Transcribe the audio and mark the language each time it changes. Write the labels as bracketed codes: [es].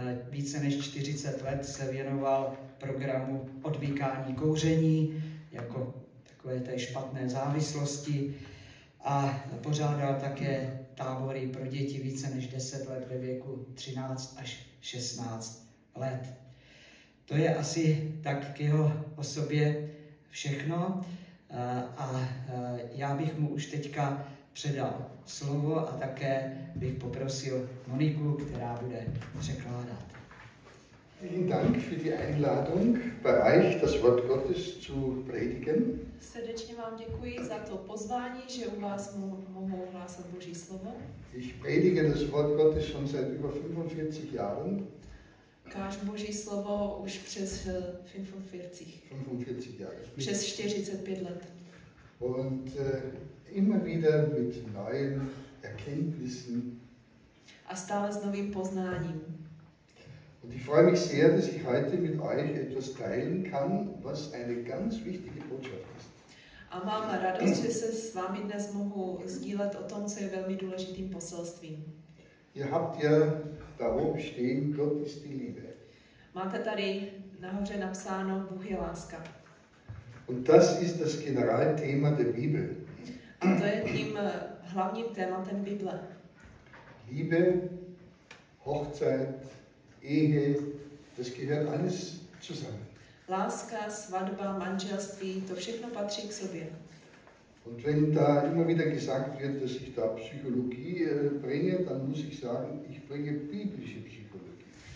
[cs] Více než 40 let se věnoval programu odvykání kouření, jako takové té špatné závislosti, a pořádal také tábory pro děti více než 10 let ve věku 13 až 16 let. To je asi tak k jeho osobě všechno. A já bych mu už teďka předal slovo a také bych poprosil Moniku, která bude překládat. [de] Vielen Dank für die Einladung bei euch das Wort Gottes zu predigen. [cs] Srdečně vám děkuji za to pozvání, že u vás mohu hlásat Boží slovo. [de] Ich predige das Wort Gottes schon seit über 45 Jahren. [cs] Kážu Boží slovo už přes 45 [de] Jahre. [cs] Přes 45 let. [de] Und immer wieder mit neuen Erkenntnissen. [cs] A stále s novým poznáním. [de] Und ich freue mich sehr, dass ich heute mit euch etwas teilen kann, was eine ganz wichtige Botschaft ist. [cs] A mám radost, že se s vámi dnes mohu sdílet o tom, co je velmi důležitým poselstvím. [de] Ihr habt ja da oben stehen, Gott ist die Liebe. [cs] Máte tady nahoře napsáno, Bůh je láska. [de] Und das ist das Generalthema der Bibel. [cs] A to je tím hlavním tématem Bible. [de] Liebe, Hochzeit, Ehe, das gehört alles zusammen. [cs] Láska, svatba, manželství, to všechno patří k sobě. [de] Und wenn da immer wieder gesagt wird, dass ich da Psychologie bringe, dann muss ich sagen, ich bringe biblische Psychologie.